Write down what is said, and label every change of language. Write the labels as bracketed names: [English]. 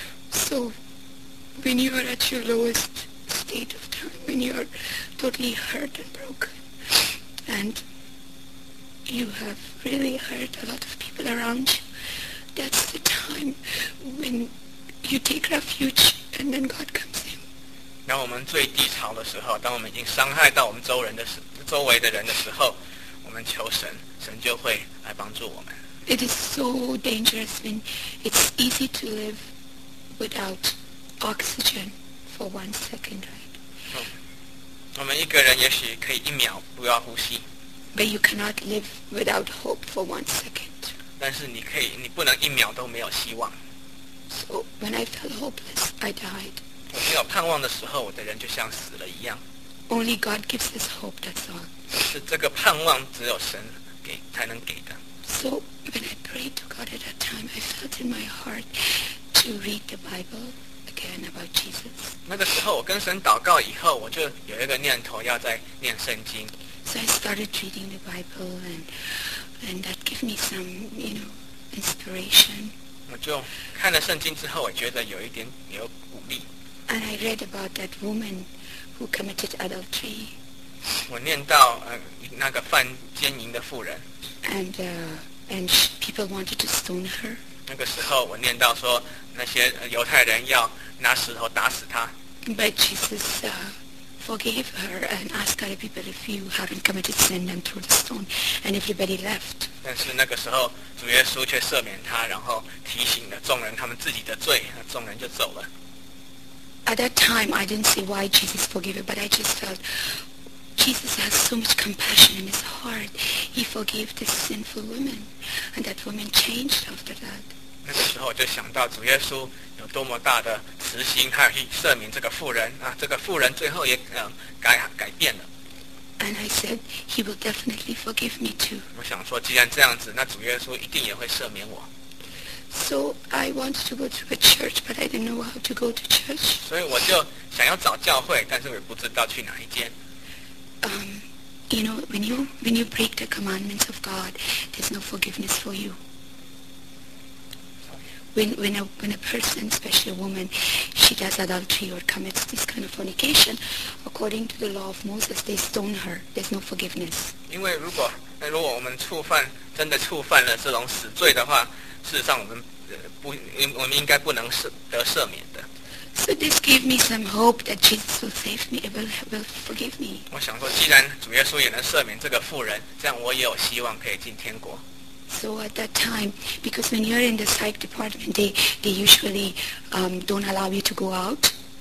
[English] So, when you are at your lowest state of time, when you are totally hurt and broken, and you have really hurt a lot of people around you, that's the time when you take refuge, and then God comes. [Chinese] 当我们最低潮的时候，当我们已经伤害到我们周围的人的时候，我们求神，神就会来帮助我们。 [English] It is so dangerous when it's easy to live without oxygen for 1 second, right? [Chinese] 我们一个人也许可以一秒不要呼吸。 [English] But you cannot live without hope for 1 second. [Chinese] 但是你不能一秒都没有希望。 [English] So when I felt hopeless, I died. [Chinese] 我没有盼望的时候，我的人就像死了一样。 [English] Only God gives us hope, that's all. [Chinese] 是这个盼望只有神给才能给的。 [English] So when I prayed to God at that time, I felt in my heart to read the Bible again about Jesus. [Chinese] 那个时候，我跟神祷告以后，我就有一个念头要再念圣经。 [English] So I started reading the Bible, and that gave me some, you know, inspiration. [Chinese] 我就看了圣经之后，我觉得有一点有鼓励。 [English] And I read about that woman who committed adultery. [Chinese] 我念到那个犯奸淫的妇人。 [English] And people wanted to stone her. [Chinese] 那个时候我念到说那些犹太人要拿石头打死她。 [English] But Jesus forgave her and asked other people, if you haven't committed sin, then throw the stone. And everybody left. [Chinese] 但是那个时候主耶稣却赦免她，然后提醒了众人他们自己的罪，那众人就走了。 [English] At that time, I didn't see why Jesus forgave her, but I just felt Jesus has so much compassion in his heart. He forgave this sinful woman, and that woman changed after that. [Chinese] 那个时候我就想到主耶稣有多么大的慈心，他去赦免这个妇人啊，这个妇人最后也改变了。 [English] And I said, He will definitely forgive me too. [Chinese] 我想说，既然这样子，那主耶稣一定也会赦免我。 [English] So I wanted to go to a church, but I didn't know how to go to church. [Chinese] 所以我就想要找教会，但是我也不知道去哪一间。 [English] You know, when you break the commandments of God, there's no forgiveness for you. When a person, especially a woman, she does adultery or commits this kind of fornication, according to the law of Moses, they stone her. There's no forgiveness. [Chinese] 因为如果我们真的触犯了这种死罪的话。事实上，我们应该不能得赦免的。 [English] So this gave me some hope that Jesus will save me, will forgive me. [Chinese] 我想说，既然主耶稣也能赦免这个妇人，这样我也有希望可以进天国。 [English] So at that time, because when you're in the psych department, they usually don't allow you to go out.